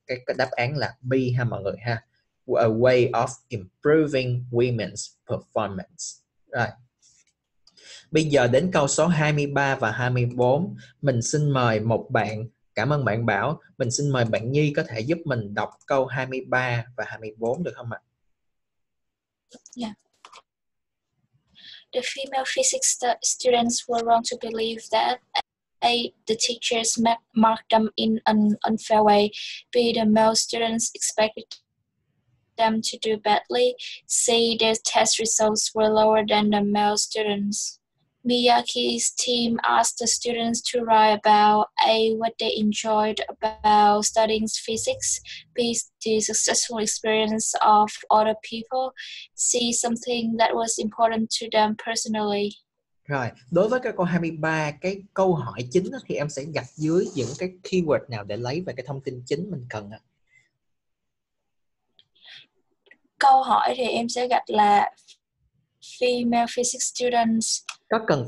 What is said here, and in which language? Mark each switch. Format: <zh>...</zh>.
<vi>Cái đáp án là B ha mọi người ha.</vi> <en>A way of improving women's performance. Right.</en> <vi>Bây giờ đến câu số 23 và 24, mình xin mời một bạn, cảm ơn bạn Bảo, mình xin mời bạn Nhi có thể giúp mình đọc câu 23 và 24 được không ạ?</vi> <en>Yeah. The female physics students were wrong to believe that A, the teachers marked them in an unfair way. B, the male students expected them to do badly. C, their test results were lower than the male students. Miyaki's team asked the students to write about A, what they enjoyed about studying physics, B, the successful experience of other people, C, something that was important to them personally.</en> <vi>Rồi, đối với cái câu 23, cái câu hỏi chính thì em sẽ gạch dưới những cái keyword nào để lấy về cái thông tin chính mình cần ạ? Câu hỏi thì em sẽ gạch là</vi> <en>female physics students.</en> <vi>Có cần</vi>